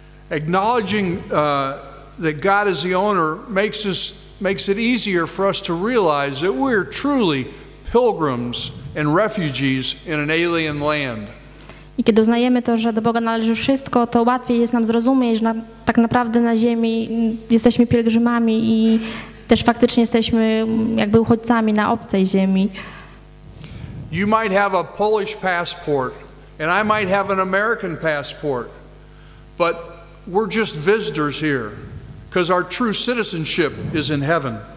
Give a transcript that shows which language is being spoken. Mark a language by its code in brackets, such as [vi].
[en] Acknowledging that God is the owner makes it easier for us to realize that we're truly pilgrims and refugees in an alien land. [pl] I kiedy uznajemy to, że do Boga należy wszystko, to łatwiej jest nam zrozumieć, że tak naprawdę na ziemi jesteśmy pielgrzymami i też faktycznie jesteśmy jakby uchodźcami na obcej ziemi. [en] You might have a Polish passport and I might have an American passport, but we're just visitors here because our true citizenship is in heaven.